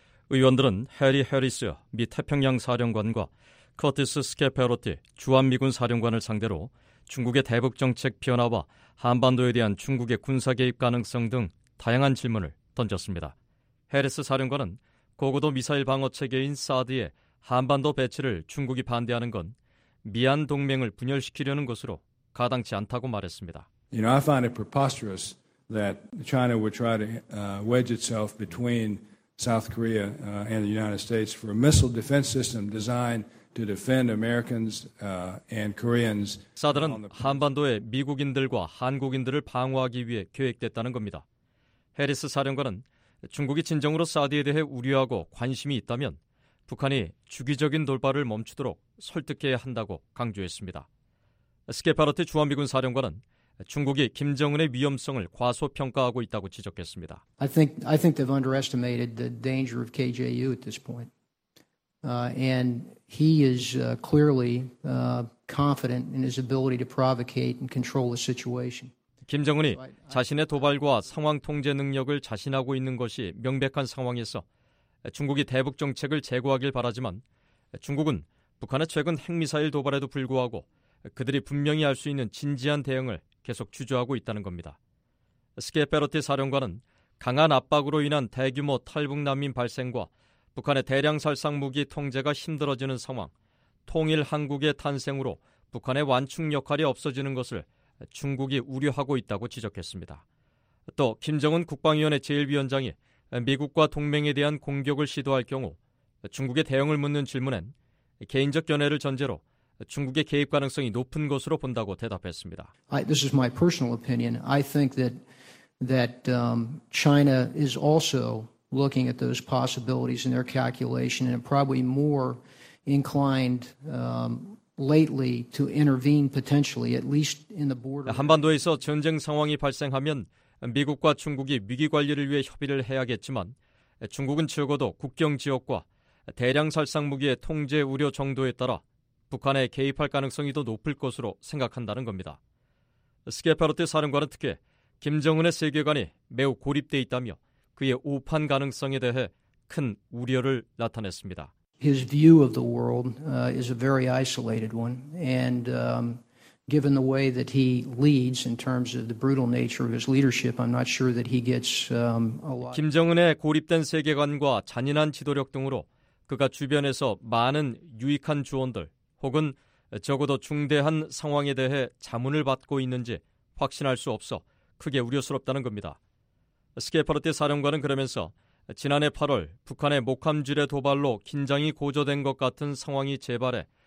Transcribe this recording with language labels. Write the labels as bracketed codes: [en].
[ko] 의원들은 해리 해리스 미 태평양 사령관과 커티스 스케페로티 주한미군 사령관을 상대로 중국의 대북정책 변화와 한반도에 대한 중국의 군사개입 가능성 등 다양한 질문을 던졌습니다. 해리스 사령관은 고고도 미사일 방어체계인 사드의 한반도 배치를 중국이 반대하는 건 미한 동맹을 분열시키려는 것으로 가당치 않다고 말했습니다. [en] You know, I find it preposterous that China would try to wedge itself between South Korea and the United States for a missile defense system designed to defend Americans and Koreans. [ko] 사드는 한반도에 미국인들과 한국인들을 방어하기 위해 계획됐다는 겁니다. 해리스 사령관은 중국이 진정으로 사드에 대해 우려하고 관심이 있다면 북한이 주기적인 돌발을 멈추도록 설득해야 한다고 강조했습니다. 스케파르트 주한미군 사령관은 중국이 김정은의 위험성을 과소평가하고 있다고 지적했습니다. [en] I think they've underestimated the danger of KJU at this point. And he is clearly confident in his ability to provocate and control the situation. [ko] 김정은이 자신의 도발과 상황 통제 능력을 자신하고 있는 것이 명백한 상황에서 중국이 대북 정책을 재고하길 바라지만 중국은 북한의 최근 핵미사일 도발에도 불구하고 그들이 분명히 할 수 있는 진지한 대응을 계속 주저하고 있다는 겁니다. 스케페로티 사령관은 강한 압박으로 인한 대규모 탈북 난민 발생과 북한의 대량 살상 무기 통제가 힘들어지는 상황, 통일 한국의 탄생으로 북한의 완충 역할이 없어지는 것을 중국이 우려하고 있다고 지적했습니다. 또 김정은 국방위원회 제1위원장이 미국과 동맹에 대한 공격을 시도할 경우 중국의 대응을 묻는 질문엔 개인적 견해를 전제로 중국의 개입 가능성이 높은 것으로 본다고 대답했습니다. [en] This is my personal opinion. I think that China is also looking at those possibilities in their calculation and probably more inclined lately to intervene potentially at least in the border. [ko] 한반도에서 전쟁 상황이 발생하면 미국과 중국이 위기 관리를 위해 협의를 해야겠지만 중국은 적어도 국경 지역과 대량 살상 무기의 통제 우려 정도에 따라 북한에 개입할 가능성이 더 높을 것으로 생각한다는 겁니다. 스케페르트 사령관은 특히 김정은의 세계관이 매우 고립돼 있다며 그의 오판 가능성에 대해 큰 우려를 나타냈습니다. [en] His view of the world is a very isolated one and given the way that he leads in terms of the brutal nature of his leadership, I'm not sure that he gets a lot. [ko] 김정은의 고립된 세계관과 잔인한 지도력 등으로 그가 주변에서 많은 유익한 조언들 혹은 적어도 중대한 상황에 대해 자문을 받고 있는지 확신할 수 없어 크게 우려스럽다는 겁니다. 스케퍼르티 사령관은 그러면서 지난해 8월 북한의 목함 지뢰 도발로 긴장이 고조된 것 같은 상황이 재발해